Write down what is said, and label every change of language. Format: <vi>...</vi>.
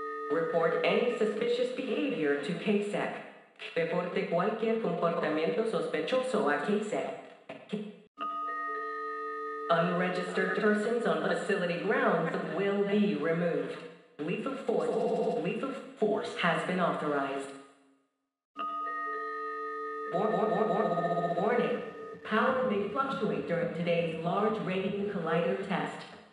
<en>Report any suspicious behavior to KSEC.</en> <es>Reporte cualquier comportamiento sospechoso a KSEC.</es> <en>Unregistered persons on facility grounds will be removed. Lethal force has been authorized. Warning. Power may fluctuate during today's large radium collider test.</en>